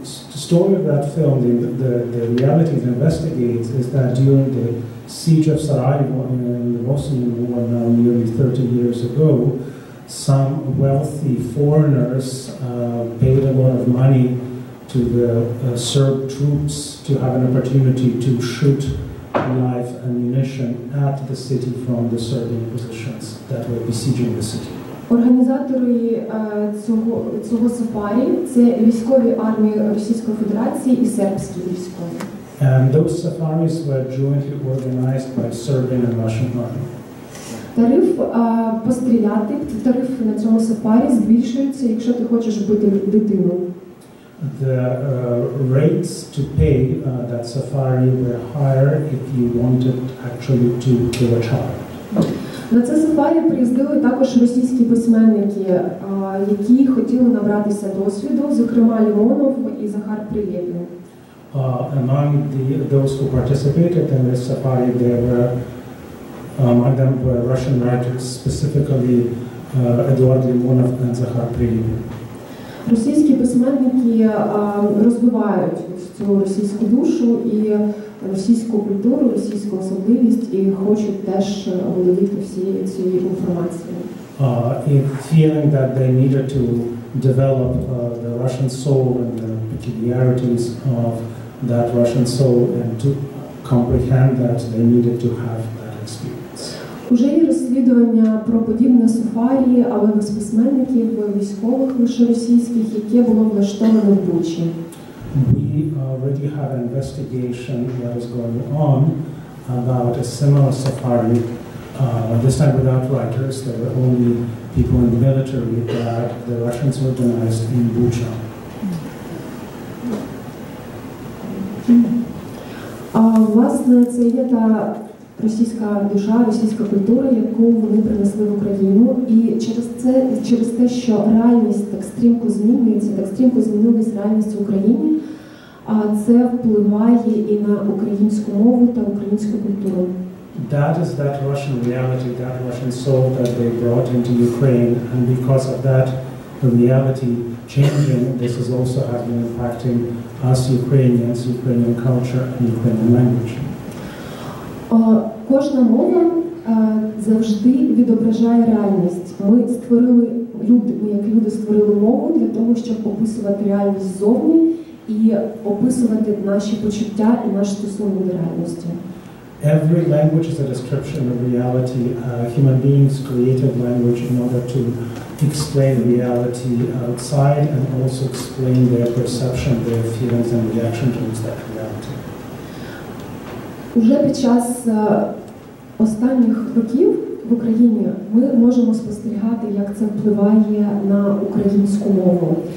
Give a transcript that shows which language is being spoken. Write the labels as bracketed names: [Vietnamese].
[English] The story of that film, the reality it investigates, is that during the siege of Sarajevo in the Bosnian War now nearly 30 years ago, some wealthy foreigners paid a lot of money to the Serb troops to have an opportunity to shoot live ammunition at the city from the Serbian positions that were besieging the city. [Ukrainian] Організатори цього сафарі це військові армії Російської Федерації і сербські військові. [English] And those safaris were jointly organized by Serbian and Russian army. [Ukrainian] Тариф постріляти, тариф на цьому сафарі збільшується, якщо ти хочеш вбити дитину. [English] The rates to pay that safari were higher if you wanted actually to kill a child. [Ukrainian] На це сафарі приїздили також російські письменники, які хотіли набратися досвіду, зокрема Леонов і Захар Прилєпін. [English] Among the those who participated in this safari, there were among them were Russian writers, specifically Eduard Leonov and Захар Прилєпін. [Ukrainian] Російські письменники розбивають ось цю російську душу і російську культуру, російську особливість, і хочуть теж володіти всією цією інформацією. [English] Feeling that they needed to develop the Russian soul and the peculiarities of that Russian soul and to comprehend that they needed to have that experience. [Ukrainian] Уже є розслідування про подібне сафарі, але без письменників, військових лише російських, яке було влаштоване в Бучі. [English] We already have an investigation that is going on about a similar safari, this time without writers, there were only people in the military, that the Russians organized in Bucha. [Ukrainian] Власне, це є та російська душа, російська культура, яку вони принесли в Україну. І через це, через те, що реальність так стрімко змінюється, так стрімко змінилась реальність в Україні, це впливає і на українську мову та українську культуру. [English] That is that Russian reality, that Russian soul that they brought into Ukraine. And because of that, the reality changing. This is also having an impact on us Ukrainians, Ukrainian culture, and Ukrainian language. [Ukrainian] Кожна мова завжди відображає реальність. Ми створили люди, ми як люди створили мову для того, щоб описувати реальність ззовні і описувати наші почуття і наші стосунки до реальності. [English] Every language is a description of reality. Human beings created language in order to explain reality outside and also explain their perception, their feelings and reaction towards that reality. [Ukrainian] Уже під час останніх років в Україні ми можемо спостерігати, як це впливає на українську мову.